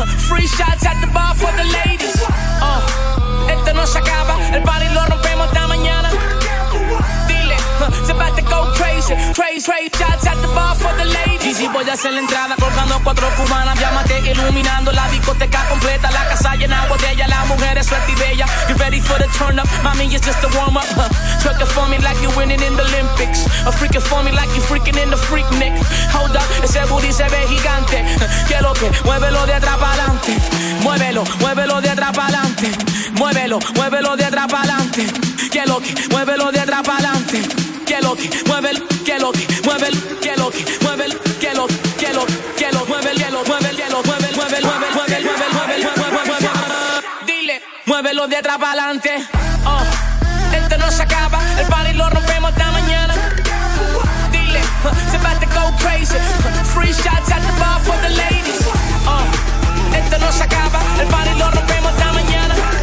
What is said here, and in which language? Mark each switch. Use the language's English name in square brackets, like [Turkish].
[English] Free shots at the bar for the ladies. [Spanish] Esto no se acaba, el party lo rompemos hasta mañana. [English] Dile, it's about to go crazy, crazy, crazy. Shots at the bar for the ladies. [Spanish] Y si voy a hacer la entrada colgando cuatro cubanas, llámate iluminando la discoteca completa, la casa llena de botella, las mujeres suelta y bella. [English] You ready for the turn up, mommy, it's just a warm up. Twerk it for me like you're winning in the Olympics. A freak it for me like you're freaking in the freak neck. Hold up, [Spanish] ese booty se ve gigante. Quiero que muévelo de atrás para adelante. Muévelo, muévelo de atrás para adelante. Muévelo, muévelo de atrás para adelante. Que lo que, muévelo de atrás para adelante. Que lo que, muévelo, que lo que, muévelo, que lo que, muévelo, que lo que, lo que, lo muévelo, muévelo, muévelo, muévelo, muévelo, muévelo, muévelo, muévelo, muévelo. Dile, muévelo de atrás para adelante. Esto no se acaba, el party lo rompemos hasta mañana. [English] Dile, it's about to go crazy. Free shots at the bar for the ladies. [Spanish] Esto no se acaba, el party lo rompemos hasta mañana.